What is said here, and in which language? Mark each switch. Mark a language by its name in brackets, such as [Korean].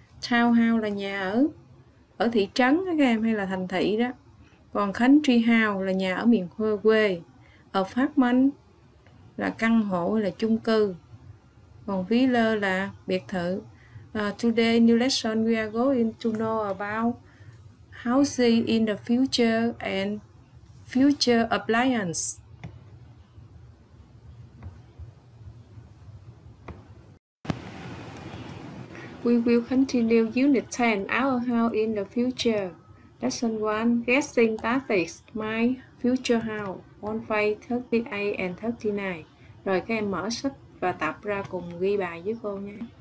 [Vietnamese] Townhouse là nhà ở, ở thị trấn các em, hay là thành thị đó. Còn country house là nhà ở miền quê. Apartment là căn hộ, là chung cư. Còn villa là biệt thự. [English] Today new lesson we are going to know about houses in the future and future appliance. We will continue unit 10, our house in the future. Lesson 1, guessing tactics, my future house, on page 38 and 39. [Vietnamese] Rồi các em mở sách và tập ra cùng ghi bài với cô nha.